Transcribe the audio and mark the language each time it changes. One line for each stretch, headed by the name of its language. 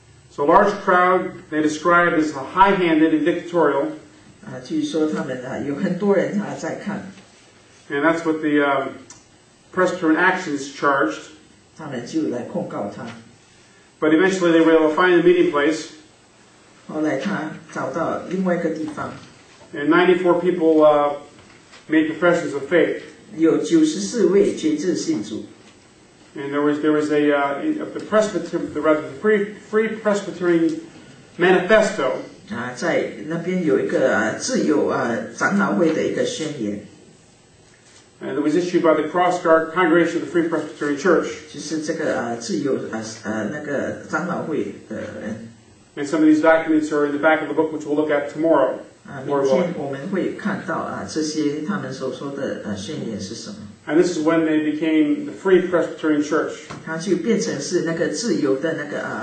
English: So a large crowd, they described as a high-handed and dictatorial.
Chinese: 据说他们, 有很多人, 在看,
English: and that's what the Presbyterian Actions charged.
Chinese: 他们就来控告他。
English: But eventually they were able to find a meeting place.
Chinese: 后来他找到另外一个地方,
English: and 94 people made professions of faith.
Chinese: 有94位决志信主,
English: and there was the Free Presbyterian Manifesto.
Chinese: 在那边有一个, 自由, 长老会的一个宣言,
English: and it was issued by the Cross Guard Congregation of the Free Presbyterian Church.
Chinese: 就是这个, 自由, 那个长老会的,
English: and some of these documents are in the back of the book, which we'll look at tomorrow.
Chinese: 明天我们会看到, 这些他们所说的,
English: and this is when they became the Free Presbyterian Church.
Chinese: 它就变成是那个自由的那个,